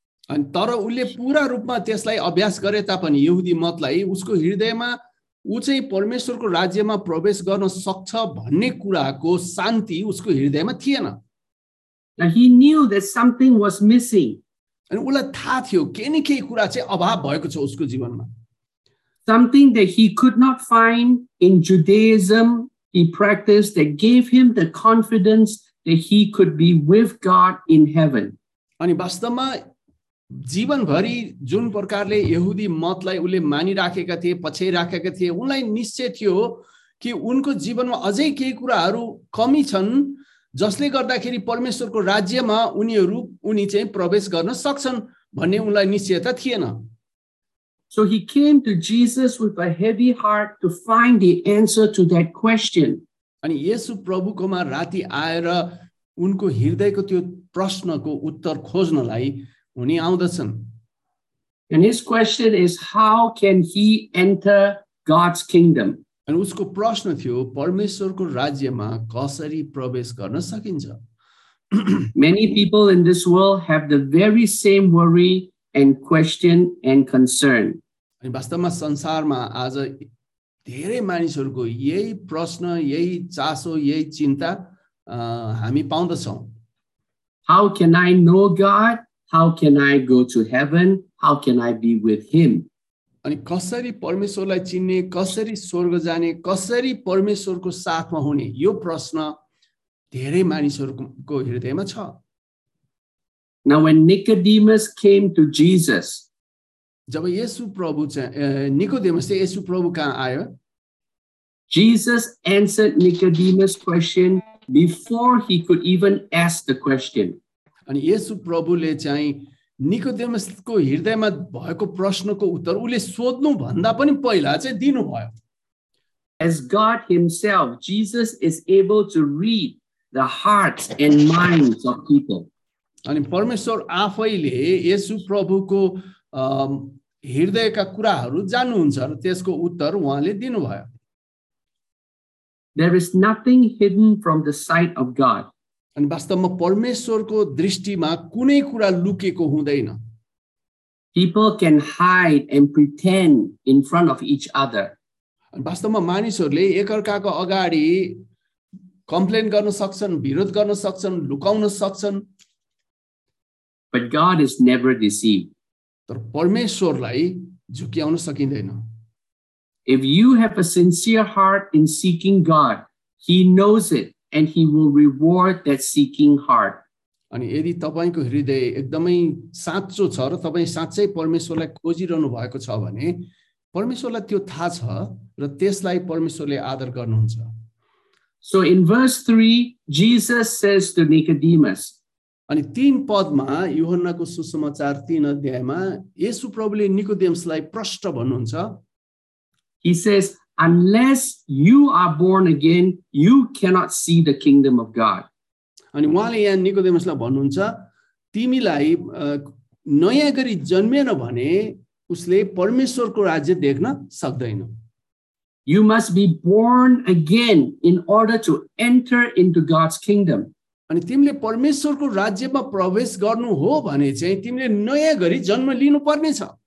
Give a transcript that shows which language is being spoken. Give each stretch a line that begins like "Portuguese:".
Nepali: अनि तर उसले पूरा रूपमा त्यसलाई अभ्यास गरे तापनि यहुदी मतलाई उसको हृदयमा ऊ चाहिँ परमेश्वरको राज्यमा प्रवेश गर्न सक्छ भन्ने कुराको शान्ति उसको हृदयमा थिएन.
English: He knew that something was missing.
Nepali: अनि उसलाई थाहा थियो केही न केही कुरा चाहिँ अभाव भएको छ उसको जीवनमा.
English: Something that he could not find in Judaism, he practiced that gave him the confidence that he could be with God in heaven.
Nepali: अनि वास्तवमा जीवनभरि जुन प्रकारले यहुदी मतलाई उसले मानिराखेका थिए, पछ्याइ राखेका थिए, उनलाई निश्चय थियो कि उनको जीवनमा अझै केही कुराहरू कमी छन् जसले गर्दाखेरि परमेश्वरको राज्यमा उनी चाहिँ प्रवेश गर्न सक्छन् भन्ने उनलाई निश्चयता थिएन.
English: So he came to Jesus with a heavy heart to find the answer to that question.
Nepali: अनि येशु प्रभुकोमा राति आएर उनको हृदयको त्यो प्रश्नको उत्तर खोज्नलाई उनी आउँदछन्.
English: And his question is, how can he enter God's kingdom?
Nepali: अनि उसको प्रश्न थियो परमेश्वरको राज्यमा कसरी प्रवेश गर्न सकिन्छ.
English: Many people in this world have the very same worry and question and concern.
Nepali: अनि वास्तवमा संसारमा आज धेरै मानिसहरूको यही प्रश्न, यही चासो, यही चिन्ता हामी पाउँदछौँ.
English: How can I know God? How can I go to heaven? How can I be with him?
Nepali: अनि कसरी परमेश्वरलाई चिन्ने, कसरी स्वर्ग जाने, कसरी परमेश्वरको साथमा हुने, यो प्रश्न धेरै मानिसहरूको हृदयमा छ.
English: Now when Nicodemus came to Jesus,
Nepali: जब येशु प्रभु निकोदेमस चाहिँ येशु प्रभु कहाँ आयो,
English: Jesus answered Nicodemus' question before he could even ask the question.
Nepali: अनि येशु प्रभुले चाहिँ निकोदेमसको हृदयमा भएको प्रश्नको उत्तर उसले सोध्नु भन्दा पनि पहिला चाहिँ दिनुभयो.
English: As God himself, Jesus is able to read the hearts and minds of people.
Nepali: अनि परमेश्वर आफैले येशु प्रभुको हृदयका कुराहरू जान्नुहुन्छ र त्यसको उत्तर उहाँले दिनुभयो.
English: There is nothing hidden from the sight of God.
Nepali: अनि वास्तवमा परमेश्वरको दृष्टिमा कुनै कुरा लुकेको हुँदैन.
English: People can hide and pretend in front of each other.
Nepali: अनि वास्तवमा मानिसहरूले एकअर्काको अगाडि कम्प्लेन गर्न सक्छन्, विरोध गर्न सक्छन्, लुकाउन सक्छन्.
English: But God is never deceived.
Nepali: तर परमेश्वरलाई झुक्याउन सकिँदैन.
English: If you have a sincere heart in seeking God, he knows it. And he will reward that seeking heart.
Nepali: अनि यदि तपाईको हृदय एकदमै साँचो छ र तपाई साँच्चै परमेश्वरलाई खोजिरहनु भएको छ भने परमेश्वरलाई त्यो थाहा छ र त्यसलाई परमेश्वरले आदर गर्नुहुन्छ.
English: So in verse 3, Jesus says to Nicodemus.
Nepali: अनि तीन पदमा योहन्नाको सुसमाचार तीन अध्यायमा येशू प्रभुले निकोदेमसलाई प्रष्ट भन्नुहुन्छ.
English: He says, unless you are born again, you cannot see the kingdom of God.
Nepali: अनि उहाँले यहाँ निकोदेमसलाई भन्नुहुन्छ, तिमीलाई नयाँ गरी जन्मिएन भने उसले परमेश्वरको राज्य देख्न सक्दैन.
English: You must be born again in order to enter into God's kingdom.
Nepali: अनि तिमीले परमेश्वरको राज्यमा प्रवेश गर्नु हो भने चाहिँ तिमीले नयाँ गरी जन्म लिनुपर्नेछ.